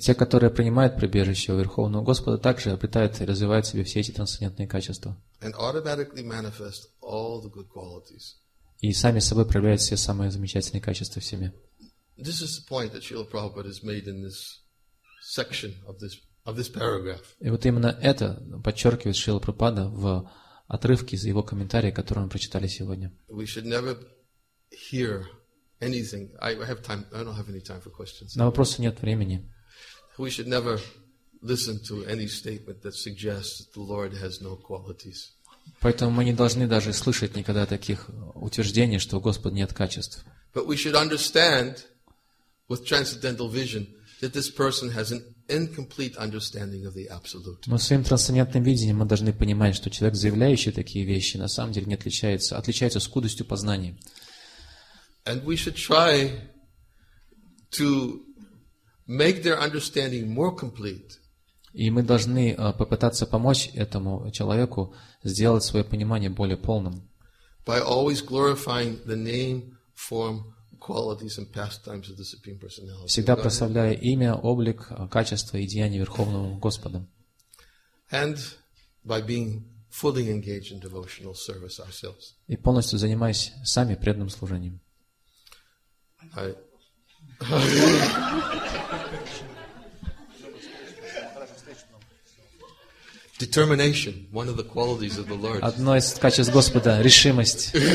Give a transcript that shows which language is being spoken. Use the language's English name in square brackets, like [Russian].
[Russian] Те, которые принимают прибежище у Верховного Господа, также обретают и развивают в себе все эти трансцендентные качества. [English] And automatically manifest all the good qualities. [Russian] И сами собой проявляют все самые замечательные качества в себе. [English] This is the point that Srila Prabhupada has made in this section of this paragraph. [Russian] И вот именно это подчеркивает Шрила Прабхупада в отрывке из его комментария, который мы прочитали сегодня. [English] We should never hear anything. I have time. I don't have any time for questions. [Russian] На вопросы нет времени. [English] We should never listen to any statement that suggests that the Lord has no qualities. [Russian] Поэтому мы не должны даже слышать никогда таких утверждений, что у Господа нет качеств. [English] But we should understand with transcendental vision that this person has an incomplete understanding of the absolute. [Russian] Но своим трансцендентным видением мы должны понимать, что человек, заявляющий такие вещи, на самом деле не отличается скудостью познания. [English] And we should try to make their understanding more complete. [Russian] И мы должны попытаться помочь этому человеку сделать свое понимание более полным. [English] By always glorifying the name, form, qualities and pastimes of the Supreme Personality. [Russian] Всегда прославляя имя, облик, качества и деяния Верховного Господа. [English] And by being fully engaged in devotional service ourselves. [Russian] И полностью занимаясь сами преданным служением. [English] Determination, one of the qualities of the Lord. [Russian] Одно из качеств Господа — решимость.